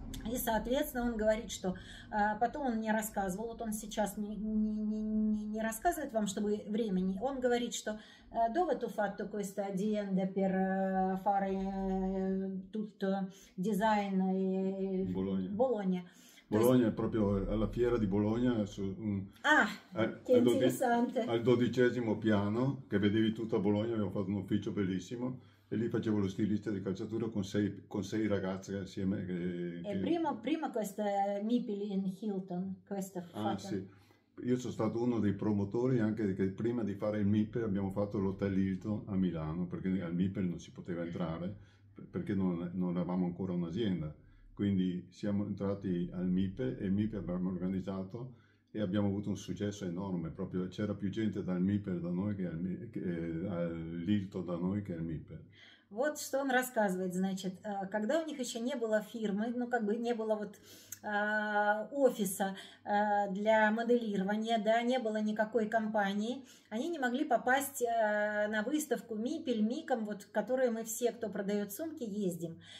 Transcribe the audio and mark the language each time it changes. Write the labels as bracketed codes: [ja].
[ru] И, соответственно, он говорит, что потом он мне рассказывал, вот он сейчас не рассказывает вам, чтобы времени, он говорит, что [it] «Dove tu fatto questa azienda per fare tutto design e Bologna?» [ru] Bologna, есть... [it] proprio alla fiera di Bologna, al dodicesimo piano, che vedevi tutta Bologna, abbiamo fatto un ufficio bellissimo. E lì facevo lo stilista di calzatura con sei ragazze assieme. Prima questa Mipili in Hilton, questa fata. Ah sì, io sono stato uno dei promotori anche che prima di fare il Mipili abbiamo fatto l'hotel Hilton a Milano, perché al Mipili non si poteva entrare, perché non avevamo ancora un'azienda. Quindi siamo entrati al Mipili e il Mipili abbiamo organizzato e abbiamo avuto un successo enorme. Proprio c'era più gente dal Miper da noi che all'Hilton da noi che al Miper. [ru] Вот что он рассказывает, значит, когда у них еще не было фирмы, ну как бы не было вот офиса для моделирования, да, не было никакой компании, они не могли попасть на выставку Мипель Миком, вот которые мы все, кто продает сумки, ездим.